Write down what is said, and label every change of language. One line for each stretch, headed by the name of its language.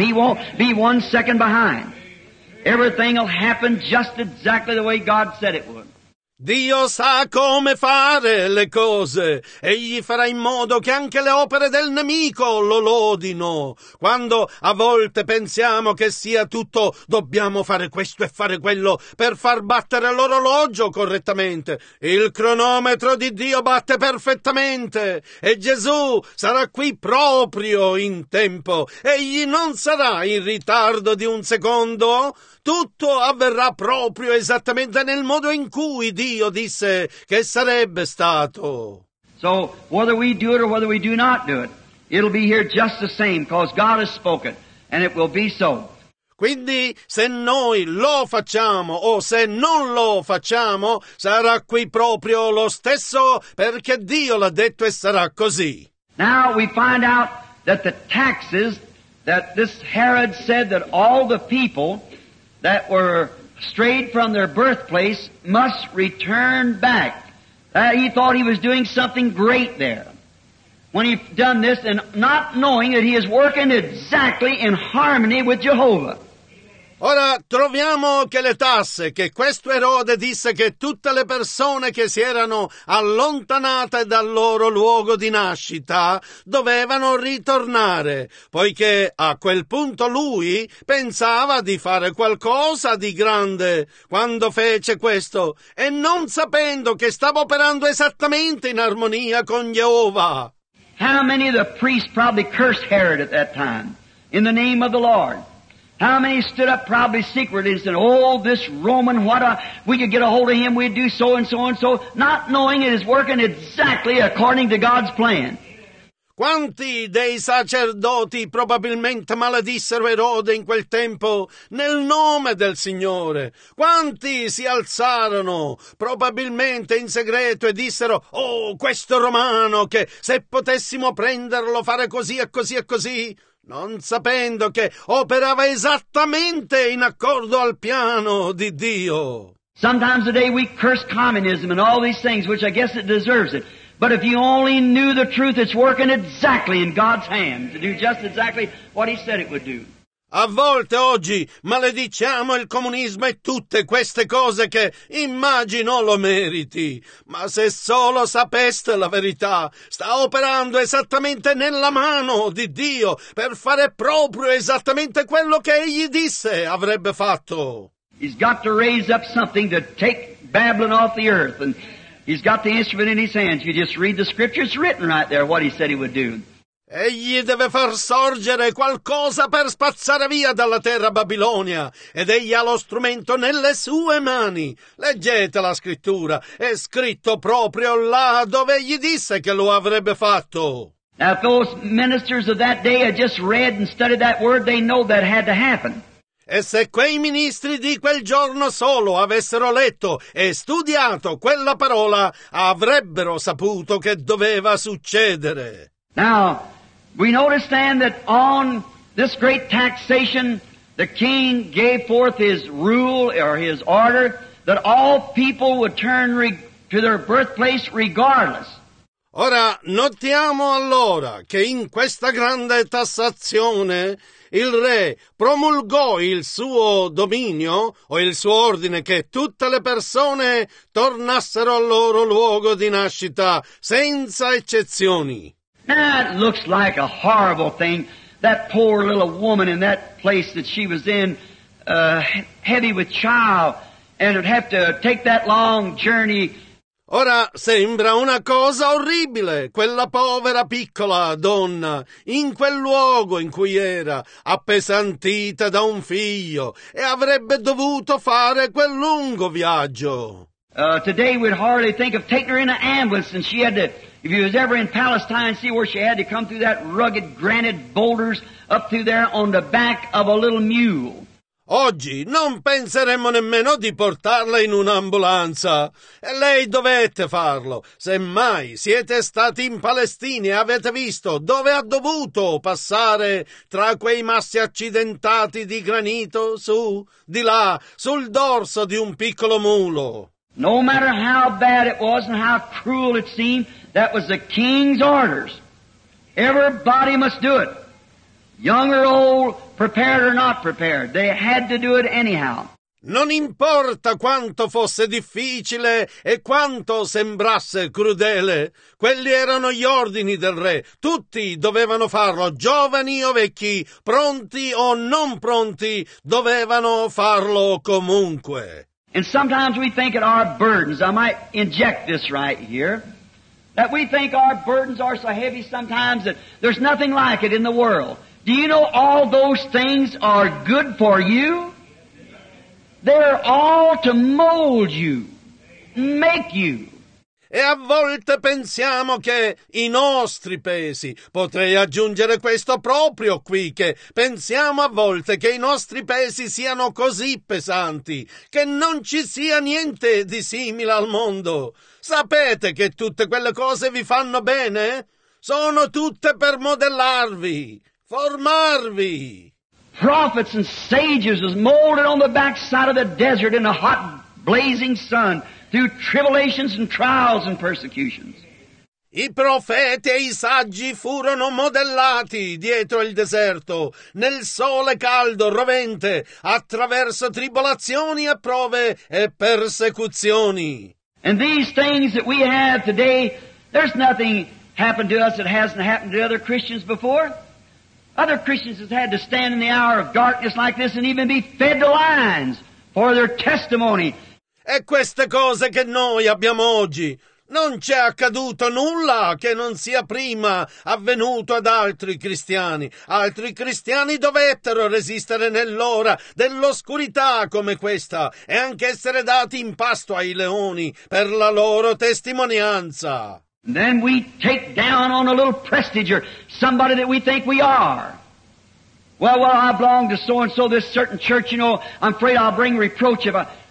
English: He won't be 1 second behind. Everything will happen just exactly the way God said it would.
Italian: Dio sa come fare le cose. Egli farà in modo che anche le opere del nemico lo lodino. Quando a volte pensiamo che sia tutto, dobbiamo fare questo e fare quello per far battere l'orologio correttamente. Il cronometro di Dio batte perfettamente e Gesù sarà qui proprio in tempo. Egli non sarà in ritardo di un secondo. Tutto avverrà proprio esattamente nel modo in cui Dio disse che sarebbe stato.
English: So, whether we do it or whether we do not do it, it'll be here just the same, because God has spoken, and it will be so.
Italian: Quindi, se noi lo facciamo o se non lo facciamo, sarà qui proprio lo stesso, perché Dio l'ha detto e sarà così.
English: Now we find out that the taxes that this Herod said that all the people that were strayed from their birthplace must return back. He thought he was doing something great there. When he'd done this, and not knowing that he is working exactly in harmony with Jehovah.
Italian: Ora troviamo che le tasse che questo Erode disse che tutte le persone che si erano allontanate dal loro luogo di nascita dovevano ritornare, poiché a quel punto lui pensava di fare qualcosa di grande quando fece questo e non sapendo che stava operando esattamente in armonia con Geova.
English: How many of the priests probably cursed Herod at that time in the name of the Lord? How many stood up probably secretly and said, oh, this Roman, we could get a hold of him, we'd do so and so and so, not knowing it is working exactly according to God's plan.
Italian: Quanti dei sacerdoti probabilmente maledissero Erode in quel tempo nel nome del Signore? Quanti si alzarono probabilmente in segreto e dissero, oh, questo Romano, che se potessimo prenderlo, fare così e così e così? Non sapendo che operava esattamente in accordo al piano di Dio.
English: Sometimes today we curse communism and all these things, which I guess it deserves it. But if you only knew the truth, it's working exactly in God's hands to do just exactly what he said it would do.
Italian: A volte oggi malediciamo il comunismo e tutte queste cose che immagino lo meriti, ma se solo sapeste la verità, sta operando esattamente nella mano di Dio per fare proprio esattamente quello che egli disse avrebbe fatto.
English: He's got to raise up something to take Babylon off the earth, and he's got the instrument in his hands. You just read the scriptures written right there what he said he would do.
Italian: Egli deve far sorgere qualcosa per spazzare via dalla terra Babilonia ed egli ha lo strumento nelle sue mani. Leggete la scrittura, è scritto proprio là dove egli disse che lo avrebbe fatto.
English: Now if those ministers of that day had just read and studied that word, they know that had to happen.
Italian: E se quei ministri di quel giorno solo avessero letto e studiato quella parola, avrebbero saputo che doveva succedere.
English: Now, we notice then that on this great taxation, the king gave forth his rule or his order that all people would turn to their birthplace regardless.
Italian: Ora, notiamo allora che in questa grande tassazione il re promulgò il suo dominio o il suo ordine che tutte le persone tornassero al loro luogo di nascita senza eccezioni.
English: That looks like a horrible thing. That poor little woman in that place that she was in, heavy with child, and would have to take that long journey.
Italian: Ora sembra una cosa orribile, quella povera piccola donna, in quel luogo in cui era, appesantita da un figlio, e avrebbe dovuto fare quel lungo viaggio.
English: Today we'd hardly think of taking her in an ambulance, and she had to, if you was ever in Palestine, see where she had to come through that rugged granite boulders up through there on the back of a little mule.
Italian: Oggi non penseremmo nemmeno di portarla in un'ambulanza. E lei dovette farlo. Semmai siete stati in Palestina e avete visto dove ha dovuto passare tra quei massi accidentati di granito su, di là, sul dorso di un piccolo mulo.
English: No matter how bad it was and how cruel it seemed, that was the king's orders. Everybody must do it. Young or old, prepared or not prepared, they had to do it anyhow.
Italian: Non importa quanto fosse difficile e quanto sembrasse crudele, quelli erano gli ordini del re. Tutti dovevano farlo, giovani o vecchi, pronti o non pronti, dovevano farlo comunque.
English: And sometimes we think it our burdens. I might inject this right here. That we think our burdens are so heavy sometimes that there's nothing like it in the world. Do you know all those things are good for you? They're all to mold you, make you.
Italian: E a volte pensiamo che i nostri pesi, potrei aggiungere questo proprio qui, che pensiamo a volte che i nostri pesi siano così pesanti, che non ci sia niente di simile al mondo. Sapete che tutte quelle cose vi fanno bene? Sono tutte per modellarvi. Formarvi.
English: Prophets and sages was molded on the backside of the desert in the hot blazing sun through tribulations and trials and persecutions.
Italian: I profeti e i saggi furono modellati dietro il deserto, nel sole caldo, rovente, attraverso tribolazioni e prove e persecuzioni.
English: And these things that we have today, there's nothing happened to us that hasn't happened to other Christians before. Other Christians have had to stand in the hour of darkness like this and even be fed to lions for their testimony.
Italian: E queste cose che noi abbiamo oggi, non c'è accaduto nulla che non sia prima avvenuto ad altri cristiani. Altri cristiani dovettero resistere nell'ora dell'oscurità come questa e anche essere dati in pasto ai leoni per la loro testimonianza.
English: Then we take down on a little prestige or somebody that we think we are. Well, I belong to so-and-so, this certain church, you know, I'm afraid I'll bring reproach if I...